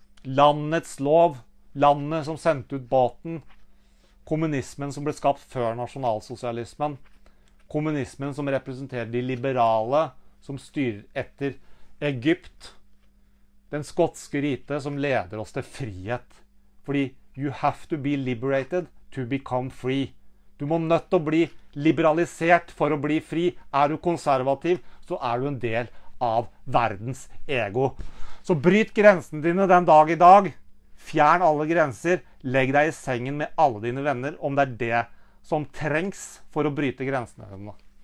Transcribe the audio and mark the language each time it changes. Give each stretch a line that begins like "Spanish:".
Norwegian: Landets lov, landet som sendte ut båten, kommunismen som ble skapt før nasjonalsosialismen, kommunismen som representerer de liberale, som styrer etter Egypt, den skotske rite som leder oss til frihet. Fordi
English: you have to be liberated to become free.
Norwegian: Du må nødt til å bli liberalisert for å bli fri. Er du konservativ, så er du en del av verdens ego. Så bryt grensene dine den dag i dag. Fjern alle grenser. Legg deg i sengen med alle dine venner, om det er det som trengs for å bryte grensene dine.